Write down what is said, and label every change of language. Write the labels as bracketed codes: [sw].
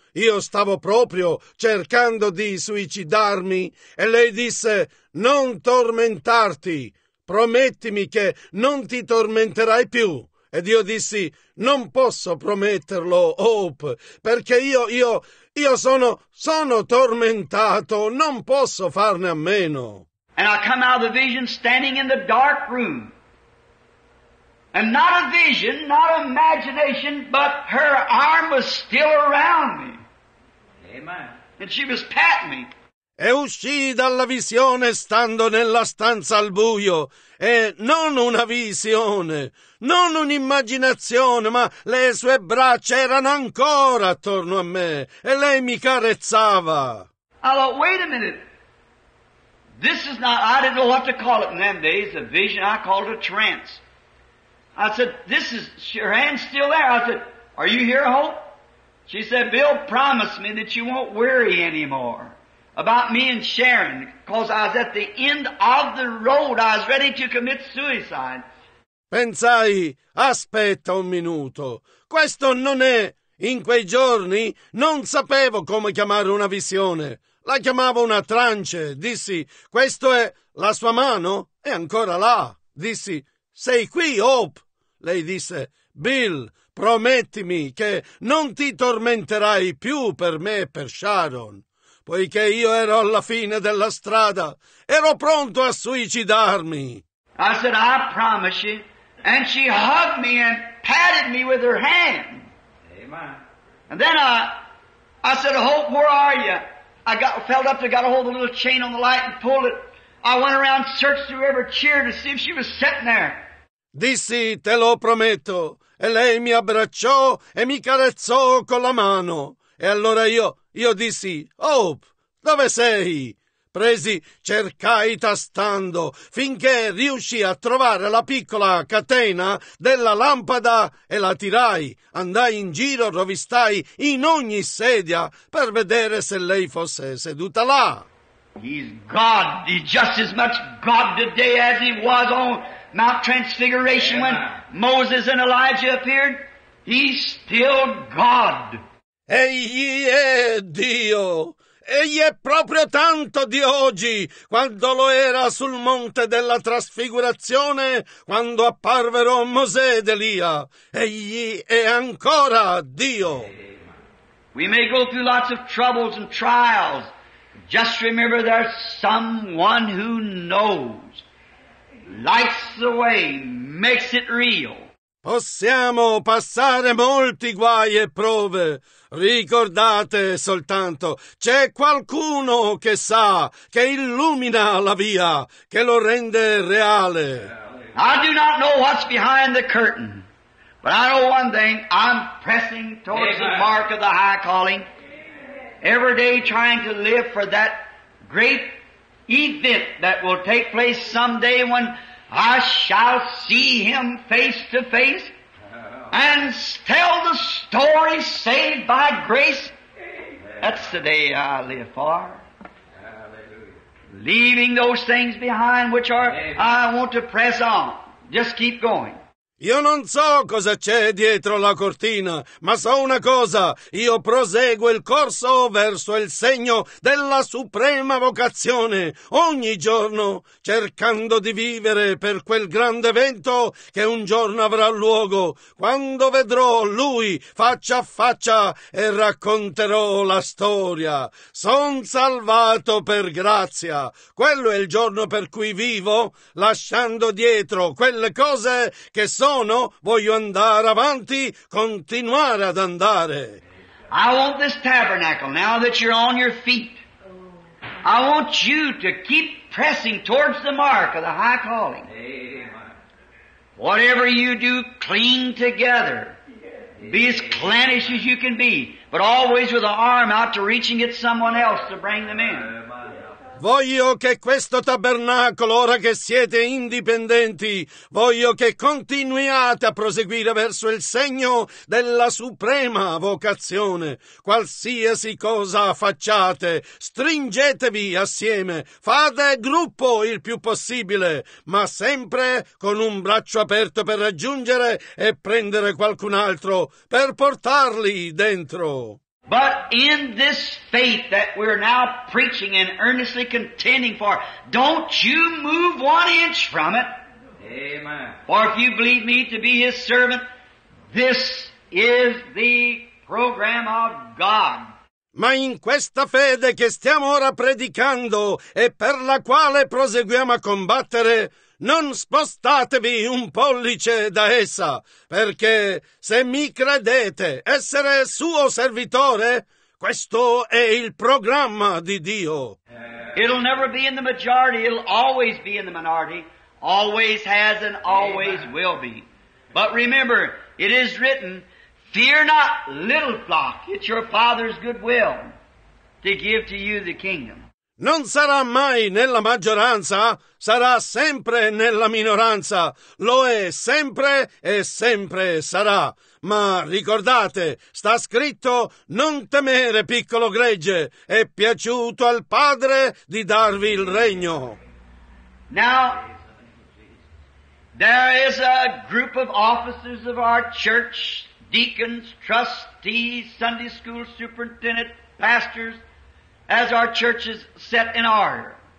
[it] Io stavo proprio cercando di suicidarmi e lei disse, non tormentarti, promettimi che non ti tormenterai più. Ed io dissi, non posso prometterlo, Hope, perché io sono tormentato, non posso farne a meno. [en] And I come out of the vision standing in the dark room. And not a vision, not imagination, but her arm was still around me. Amen. And she was patting me. [it] E uscii dalla visione stando nella stanza al buio. E non una visione, non un'immaginazione, ma le sue braccia erano ancora attorno a me e lei mi carezzava. [en] Allora, wait a minute. This is not, I didn't know what to call it in them days, a vision, I called it a trance. I said, this is, your hand's still there. I said, are you here, Hope? She said, Bill, promise me that you won't worry anymore. About me and Sharon, because I was at the end of the road, I was ready to commit suicide. [it] Pensai, aspetta un minuto, questo non è, in quei giorni non sapevo come chiamare una visione. La chiamavo una trance. Dissi, questa è la sua mano? È ancora là. Dissi, sei qui, Hope? Lei disse, Bill, promettimi che non ti tormenterai più per me e per Sharon. Poiché io ero alla fine della strada, ero pronto a suicidarmi. [en] I said, I promise you. And she hugged me and patted me with her hand. Amen. And then I said, Hope, where are you? I got felt up, I got a hold of the little chain on the light and pulled it. I went around, searched through every chair to see if she was sitting there. [it] Dissi, te lo prometto. E lei mi abbracciò e mi carezzò con la mano. E allora io dissi, Hope, dove sei? Presi, cercai tastando, finché riuscii a trovare la piccola catena della lampada e la tirai. Andai in giro, rovistai in ogni sedia per vedere se lei fosse seduta là. [en] He's God, he's just as much God today as he was on Mount Transfiguration when Moses and Elijah appeared. He's still God. [it] Egli è Dio. Egli è proprio tanto di oggi quando lo era sul monte della trasfigurazione quando apparvero Mosè ed Elia. Egli è ancora Dio. [en] We may go through lots of troubles and trials. Just remember there's someone who knows. Lights the way, makes it real. [it] Possiamo passare molti guai e prove. Ricordate soltanto, c'è qualcuno che sa, che illumina la via, che lo rende reale. [en] I do not know what's behind the curtain, but I know one thing, I'm pressing towards Amen. The mark of the high calling, every day trying to live for that great event that will take place someday when I shall see him face to face and tell the story saved by grace. That's the day I live for. Leaving those things behind which are, I want to press on. Just keep going. [it] Io non so cosa c'è dietro la cortina, ma so una cosa. Io proseguo il corso verso il segno della suprema vocazione, ogni giorno cercando di vivere per quel grande evento che un giorno avrà luogo, quando vedrò lui faccia a faccia e racconterò la storia. Son salvato per grazia. Quello è il giorno per cui vivo, lasciando dietro quelle cose che sono. No, voglio andare avanti, continuare ad andare. [en] I want this tabernacle, now that you're on your feet, I want you to keep pressing towards the mark of the high calling. Amen. Whatever you do, cling together. Be as clannish as you can be, but always with the arm out to reaching at someone else to bring them in. [it] Voglio che questo tabernacolo, ora che siete indipendenti, voglio che continuiate a proseguire verso il segno della suprema vocazione. Qualsiasi cosa facciate, stringetevi assieme, fate gruppo il più possibile, ma sempre con un braccio aperto per raggiungere e prendere qualcun altro, per portarli dentro. [en] But in this faith that we're now preaching and earnestly contending for, don't you move one inch from it. Amen. For if you believe me to be his servant, this is the program of God. [it] Ma in questa fede che stiamo ora predicando e per la quale proseguiamo a combattere, non spostatevi un pollice da essa, perché se mi credete essere suo servitore, questo è il programma di Dio. [en] It'll never be in the majority, it'll always be in the minority. Always has and always Amen. Will be. But remember, it is written, fear not, little flock, it's your Father's good will to give to you the kingdom. [it] Non sarà mai nella maggioranza, sarà sempre nella minoranza, lo è sempre e sempre sarà. Ma ricordate, sta scritto, non temere piccolo gregge, è piaciuto al Padre di darvi il regno. [en] Now, there is a group of officers of our church, deacons, trustees, Sunday school superintendent, pastors, as our church is set in order.